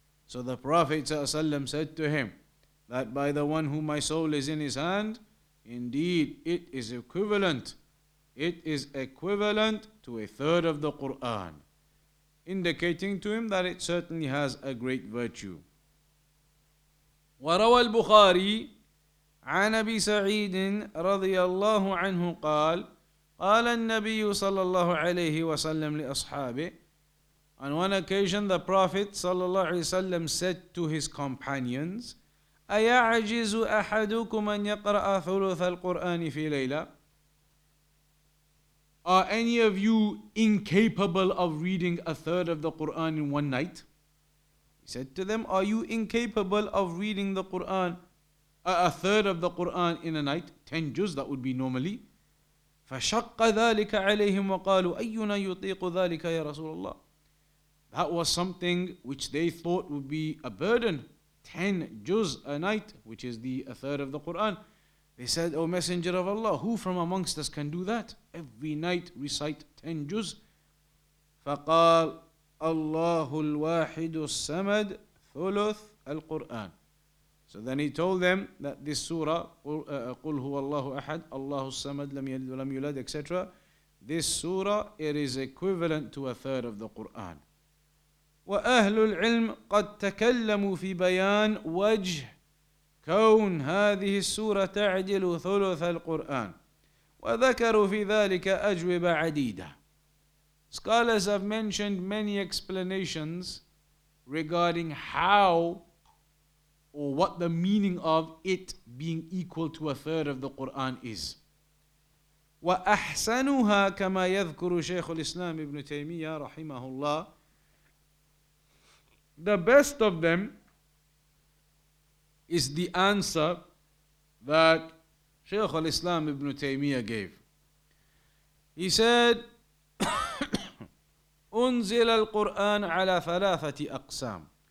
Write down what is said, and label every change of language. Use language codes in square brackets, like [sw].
[en] So the Prophet ﷺ said to him, that by the one whom my soul is in his hand, indeed it is equivalent. It is equivalent to a third of the Qur'an, indicating to him that it certainly has a great virtue. [ar] وروى البخاري عن أبي سعيد رضي الله عنه قال قال النبي صلى الله عليه وسلم لأصحابه. [en] On one occasion the Prophet صلى الله عليه وسلم said to his companions, [ar] أيعجز أحدكم أن يقرأ ثلث القرآن في ليلة؟ [en] Are any of you incapable of reading a third of the Qur'an in one night? He said to them, are you incapable of reading the Qur'an, a third of the Qur'an in a night? 10 juz, that would be normally. [ar] فَشَقَّ ذَلِكَ عَلَيْهِمْ وَقَالُوا أَيُّنَا يُطِيقُ ذَلِكَ يَا رَسُولَ اللَّهِ. [en] That was something which they thought would be a burden. 10 juz a night, which is the a third of the Qur'an. They said, O Messenger of Allah, who from amongst us can do that? Every night recite 10 juz. [ar] فقال الله الواحد السمد ثلث القرآن. [en] So then he told them that this surah, [ar] قل هو الله أحد, الله السمد لم يلد ولم يولد, etc. [en] This surah, it is equivalent to a third of the Qur'an. [ar] وأهل العلم قد تكلموا في بيان وجه كون هذه السورة تعدل ثلث القرآن وذكروا في ذلك أجوبة عديدة. [en] Scholars have mentioned many explanations regarding how or what the meaning of it being equal to a third of the Quran is. [ar] وأحسنها كما يذكر شيخ الإسلام ابن تيمية رحمه الله. [en] The best of them is the answer that Shaykh al-Islam ibn Taymiyyah gave. He said, [ar] أنزل القرآن على ثلاثة أقسام.